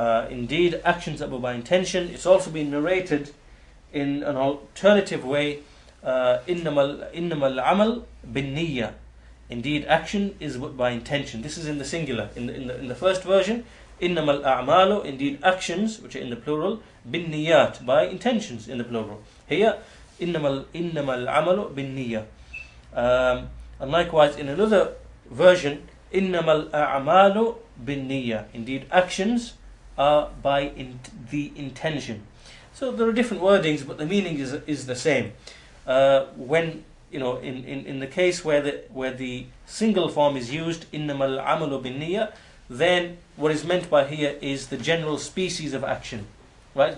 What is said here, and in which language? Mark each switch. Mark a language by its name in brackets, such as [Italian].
[English] Indeed, actions are by intention. It's also been narrated in an alternative way, [Arabic] "Innama al-amal bin niyyah." [English] Indeed, action is by intention. This is in the singular. In the first version, [Arabic] إِنَّمَا الْأَعْمَالُ, [English] indeed actions, which are in the plural, [Arabic] بِالنِّيَّات, [English] by intentions in the plural. [Arabic] Here, إِنَّمَا الْعَمَلُ بِالنِّيَّة. [English] And likewise, in another version, [Arabic] إِنَّمَا الْأَعْمَالُ بِالنِّيَّة, [English] indeed actions are by the intention. So there are different wordings, but the meaning is the same. When, you know, in the case where the single form is used, [Arabic] إِنَّمَا الْعَمَلُ بِالنِّيَّة, [English] then what is meant by here is the general species of action, right?